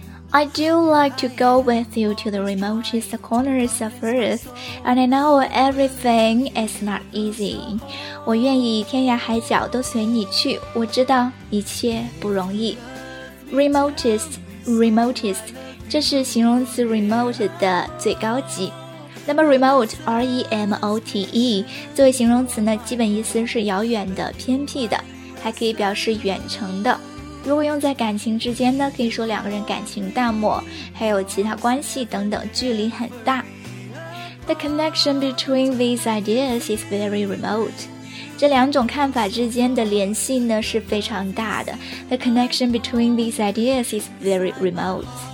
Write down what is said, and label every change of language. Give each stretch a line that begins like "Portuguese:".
English: I do like to go with you to the remotest corners of earth, and I know everything is not easy.
Chinese: 我愿意天涯海角都随你去，我知道一切不容易。 Remotest, remotest, 这是形容词 remote 的最高级。那么 remote, R-E-M-O-T-E, 作为形容词呢，基本意思是遥远的、偏僻的，还可以表示远程的。如果用在感情之间呢，可以说两个人感情淡漠，还有其他关系等等，距离很大。
English: The connection between these ideas is very remote.
Chinese: 这两种看法之间的联系呢，是非常大的。
English: The connection between these ideas is very remote.